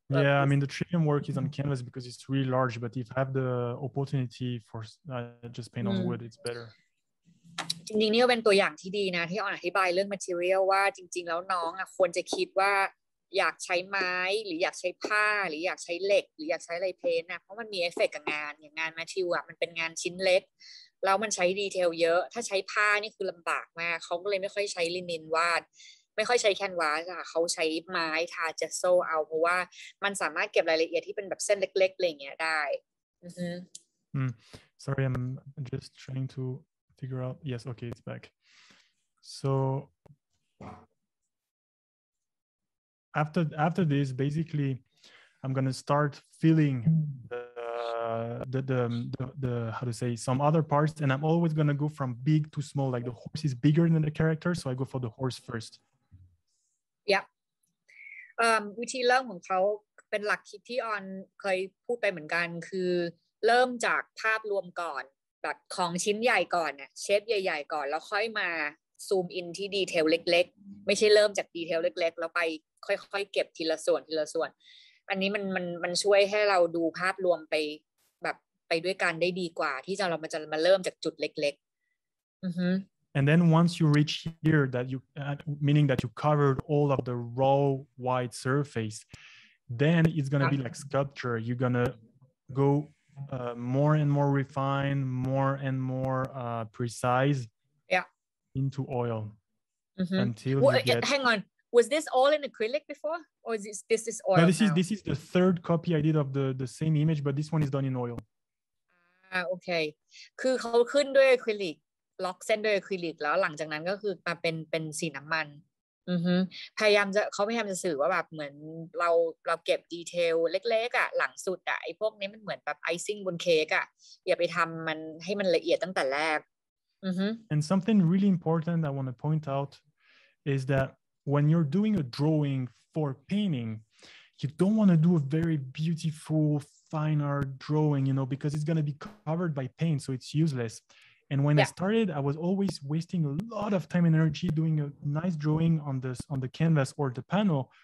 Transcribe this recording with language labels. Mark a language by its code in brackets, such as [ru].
[en] Yeah, I mean, the trillium work is on canvas because it's really large, but if I have the opportunity for just paint on wood, it's better. [th] จริงๆนี่ก็เป็นตัวอย่างที่ดีนะที่ออนอธิบายเรื่อง material ว่าจริงๆแล้วน้องควรจะคิดว่าอยากใช้ไม้หรืออยากใช้ผ้าหรืออยากใช้เหล็กหรืออยากใช้อะไรเพ้นนะเพราะมันมีเอฟเฟกต์กับงานอย่างงาน material มันเป็นงานชิ้นเล็กแล้วมันใช้ดีเทลเยอะถ้าใช้ผ้านี่คือลำบากมากเขาก็เลยไม่ค่อยใช้ลินินวาดไม่ค่อยใช้แคนวาสอ่ะเขาใช้ไม้ทาจะโซ่เอาเพราะว่ามันสามารถเก็บรายละเอียดที่เป็นแบบเส้นเล็กๆอะไรเงี้ยได้ [en] Sorry I'm just trying to figure out yes okay it's back so after this basically I'm gonna start filling the how to say some other parts and I'm always gonna go from big to small like the horse is bigger than the character so I go for the horse first [th] วิธีเริ่มของเขาเป็นหลักคิดที่ออนเคยพูดไปเหมือนกันคือเริ่มจากภาพรวมก่อนแบบของชิ้นใหญ่ก่อนเนี่ยเชฟใหญ่ๆก่อนแล้วค่อยมาซูมอินที่ดีเทลเล็กๆไม่ใช่เริ่มจากดีเทลเล็กๆแล้วไปค่อยๆเก็บทีละส่วนทีละส่วนอันนี้มันช่วยให้เราดูภาพรวมไปแบบไปด้วยกันได้ดีกว่าที่เราจะมาเริ่มจากจุดเล็กๆอือฮึ [en] And then once you reach here, that you, meaning that you covered all of the raw white surface, then it's going to be like sculpture. You're going to go more and more refined, more and more precise yeah. into oil mm-hmm. until well, you get... Hang on. Was this all in acrylic before? Or is this oil now? This is the third copy I did of the same image, but this one is done in oil. Okay. [th] คือเขาขึ้นด้วยอะคริลิกล็อกเส้นด้วยอะคริลิกแล้วหลังจากนั้นก็คือมาเป็นสีน้ำมันเขาพยายามจะสื่อว่าแบบเหมือนเราเก็บดีเทลเล็กๆอ่ะหลังสุดอ่ะไอ้พวกนี้มันเหมือนแบบไอซิ่งบนเค้กอ่ะอย่าไปทำมันให้มันละเอียดตั้งแต่แรก [en] And something really important I want to point out is that when you're doing a drawing for painting you don't want to do a very beautiful fine art drawing you know because it's going to be covered by paint so it's uselessAnd when I started, I was always wasting a lot of time and energy doing a nice drawing on the canvas or the panel.